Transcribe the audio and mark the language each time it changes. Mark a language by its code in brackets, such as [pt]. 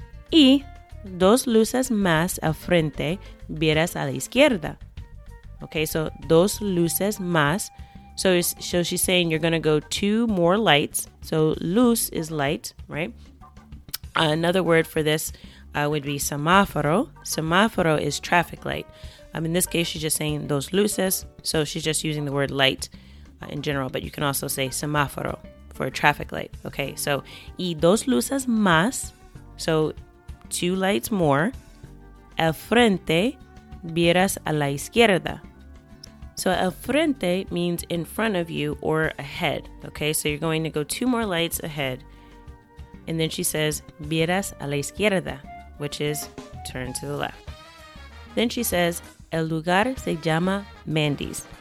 [es] Y dos luces más al frente, viras a la izquierda. Okay, so dos luces más. [en] So she's saying you're going to go two more lights. So luz is light, right? Another word for this would be semáforo. Semáforo is traffic light. In this case, she's just saying dos luces. So she's just using the word light in general. But you can also say semáforo for a traffic light. Okay, so [es] y dos luces más. [en] So two lights more. [es] Al frente, viras a la izquierda. [en] So, al frente means in front of you or ahead, okay? So, you're going to go two more lights ahead. And then she says, [es] viras a la izquierda, [en] which is turn to the left. Then she says, [es] el lugar se llama Mandy's.